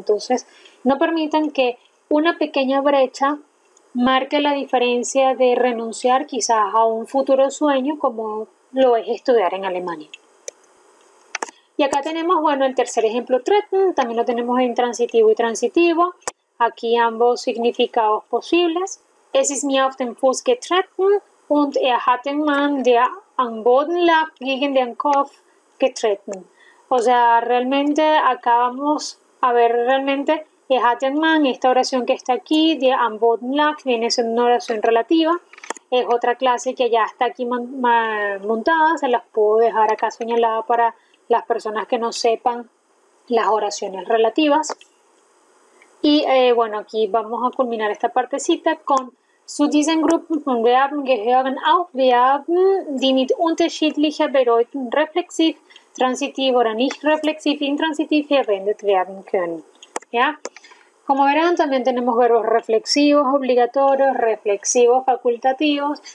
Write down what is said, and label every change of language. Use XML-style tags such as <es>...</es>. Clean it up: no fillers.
<es>Entonces, no permitan que una pequeña brecha marque la diferencia de renunciar quizás a un futuro sueño como lo es estudiar en Alemania. Y acá tenemos, bueno, el tercer ejemplo, treten, también lo tenemos en transitivo y transitivo. Aquí ambos significados posibles.</es> <de>Es ist mir auf den Fuß getreten und hat den Mann, der am Boden lag, gegen den Kopf getreten.</de> <es>O sea, realmente acá vamos a ver realmente</es> <de>hat den Mann,</de> <es>esta oración que está aquí,</es> <de>der am Boden lag,</de> <es>viene siendo una oración relativa. Es otra clase que ya está aquí montada, se las puedo dejar acá señalada para las personas que no sepan las oraciones relativas. Y bueno, aquí vamos a culminar esta partecita con</es> <de>zu diesen Gruppen von Verben gehören auch Verben, die mit unterschiedlicher Bedeutung reflexiv, transitiv oder nicht reflexiv, intransitiv verwendet werden können.</de> <es>¿Ya? Como verán, también tenemos verbos reflexivos obligatorios, reflexivos facultativos.</es>